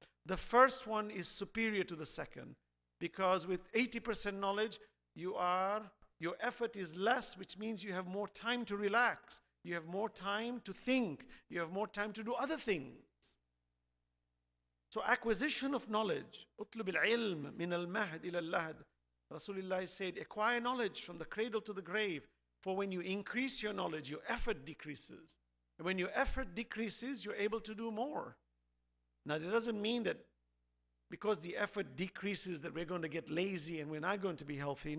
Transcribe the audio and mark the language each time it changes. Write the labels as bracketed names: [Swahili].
[English] The first one is superior to the second. Because with 80% knowledge, your effort is less, which means you have more time to relax. You have more time to think. You have more time to do other things. So acquisition of knowledge. [Arabic] أطلب العلم من المهد إلى اللهد. [English] Rasulullah said, acquire knowledge from the cradle to the grave. For when you increase your knowledge, your effort decreases. And when your effort decreases, you're able to do more. Now, that doesn't mean that because the effort decreases that we're going to get lazy and we're not going to be healthy.